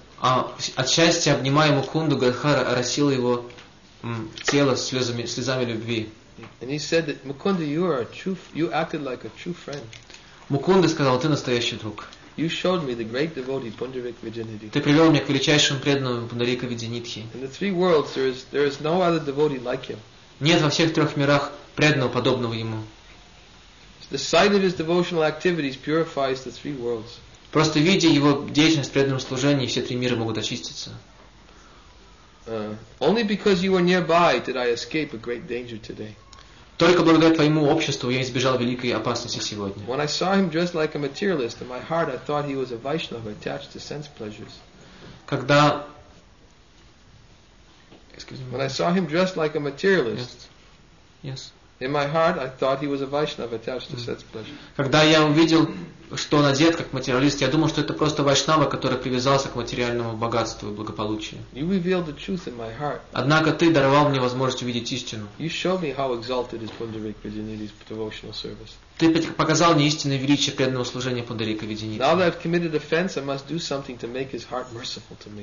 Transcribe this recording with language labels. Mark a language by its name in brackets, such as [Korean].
[Russian] От счастья обнимая Мукунду, Гададхара оросил его тело слезами любви. [English] And he said that Mukunda, you acted like a true friend. [Russian] Мукунда сказал, ты настоящий друг. [English] You showed me the great devotee Пундарик Виджинидхи. [Russian] Ты привел меня к величайшему преданному Пундарика Виджинидхи. [English] In the three worlds, there is no other devotee like him. [Russian] Нет во всех трех мирах преданного подобного ему. [English] The sight of his devotional activities purifies the three worlds. [Russian] Просто видя его деятельность в преданном служении, все три мира могут очиститься. [English] Only because you were nearby did I escape a great danger today. [Russian] Только благодаря твоему обществу я избежал великой опасности сегодня. [English] When I saw him dressed like a materialist, in my heart I thought he was a Vaishnava attached to sense pleasures. [Russian] Когда [English] When I saw him dressed like a materialist. Yes. In my heart, I thought he was a Vaishnava attached to sense pleasures. [Russian] Когда я увидел, что он одет как материалист, я думал, что это просто вайшнава, который привязался к материальному богатству и благополучию. [English] You revealed the truth in my heart. [Russian] Однако ты даровал мне возможность увидеть истину. [English] You showed me how exalted is Pundarik Vidyanidhi's devotional service. [Russian] Ты показал мне истинное величие преданного служения Пундарика Виджинидхи. [English] Now that I've committed offense, I must do something to make his heart merciful to me.